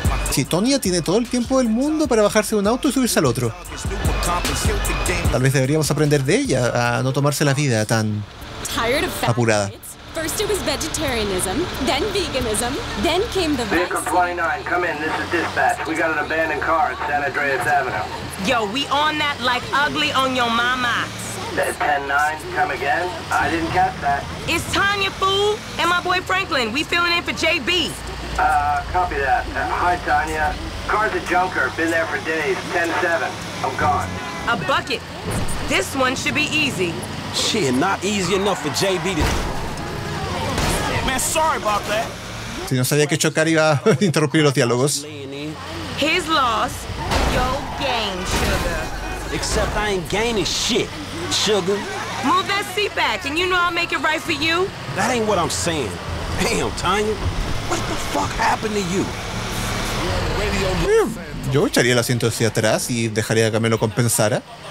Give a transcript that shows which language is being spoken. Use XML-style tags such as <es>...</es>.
<es>Sí, Tonya tiene todo el tiempo del mundo para bajarse de un auto y subirse al otro. Tal vez deberíamos aprender de ella a no tomarse la vida tan apurada.</es> <en>First it was vegetarianism, then veganism, then came the vice. Vehicle 29, come in, this is dispatch. We got an abandoned car at San Andreas Avenue. Yo, we on that like ugly on your mama. That 10-9, come again? I didn't catch that. It's Tanya, fool, and my boy Franklin. We filling in for JB. Copy that. Hi, Tanya. Car's a junker, been there for days. 10-7, I'm gone. A bucket. This one should be easy. Shit, not easy enough for JB to...</en> <es>Si no sabía que chocar iba a interrumpir los diálogos.</es> <en>His loss, your gain, sugar. Except I ain't gaining shit, sugar. Move that seat back, and you know I'll make it right for you. That ain't what I'm saying. Damn, Tanya, what the fuck happened to you?</en> <es>Yo echaría el asiento hacia atrás y dejaría que me lo compensara.</es>